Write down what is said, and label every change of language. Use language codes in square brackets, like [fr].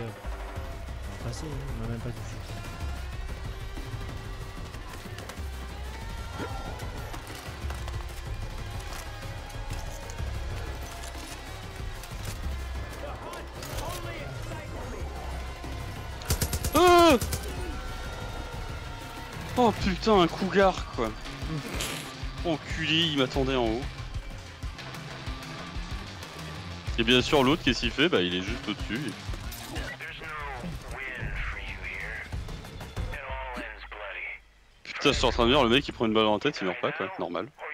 [fr] On va passer, on n'a même pas touché. Ah ! Oh putain, un cougar quoi. Enculé, il m'attendait en haut. Et bien sûr l'autre qu'est-ce qu'il fait, bah il est juste au-dessus. Et... [en] There's no win for you here. It all ends bloody. [fr] Putain, je suis en train de dire, le mec il prend une balle en tête, il meurt pas quoi, normal.